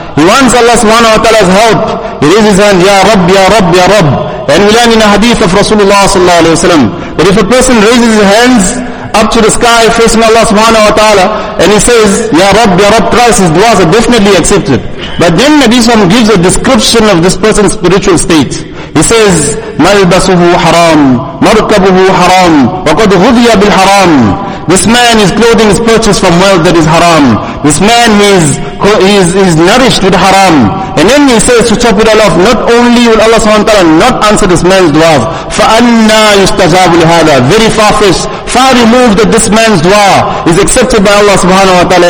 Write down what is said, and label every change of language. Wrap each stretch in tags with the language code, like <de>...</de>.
<en>He wants Allah subhanahu wa ta'ala's help. He raises his hand, Ya Rabb, Ya Rabb, Ya Rabb. And we learn in a hadith of Rasulullah sallallahu alayhi wa sallam, that if a person raises his hands up to the sky facing Allah subhanahu wa ta'ala, and he says, Ya Rabb, Ya Rabb, thrice, his du'as are definitely accepted. But then Nabi Sallam gives a description of this person's spiritual state. He says,</en> <ar>مَلْبَسُهُ حَرَامُ مَرْكَبُهُ حَرَامُ وَقَدْ غُذِيَ بِالْحَرَامُ.</ar> <en>This man, his clothing is purchased from wealth that is haram. This man, he is nourished with haram. And then he says, to top it all off, not only will Allah subhanahu wa ta'ala not answer this man's dua,</en> <ar>فَأَنَّا يُسْتَجَابُ لِهَذَا.</ar> <en>Very far-fetched, far removed, that this man's dua is accepted by Allah subhanahu wa ta'ala.</en>